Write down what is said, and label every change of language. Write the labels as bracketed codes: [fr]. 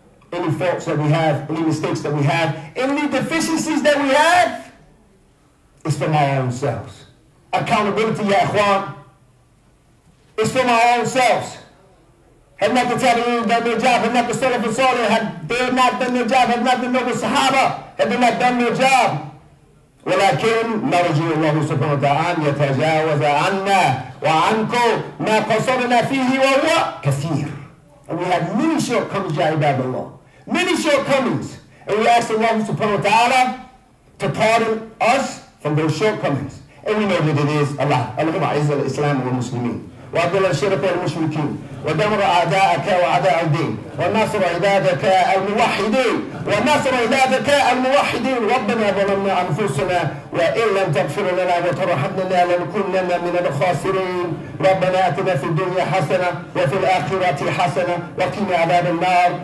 [en] Any faults that we have, any mistakes that we have, any deficiencies that we have, it's from our own selves. Accountability, ya ikhwan, it's from our own selves. Had not the Tabi'een done their job, had not the Salaf and Salih, had they not done their job, had not the noble Sahaba, had they not done their job. [ar] ولكن نرجو الله سبحانه وتعالى يتجاوز عنا وعنكم ما قصرنا فيه وهو كثير. [en] And we have many shortcomings, ya ibadallah. Many shortcomings. And we ask Allah subhanahu wa ta'ala to pardon us from those shortcomings. And we know that it is Allah. [ar] Allahumma a'izz al-Islam wa al-Muslimin. Wa adl al-shirk wa al-mushrikeen. ودمر أعداءك وأعداء الدين ونصر عبادك الموحدين ونصر عبادك الموحدين. ربنا ظلمنا أنفسنا وإن لم تغفر لنا وترحمنا لنكونن من الخاسرين. ربنا آتنا في الدنيا حسنة وفي الآخرة حسنة وقنا عذاب النار.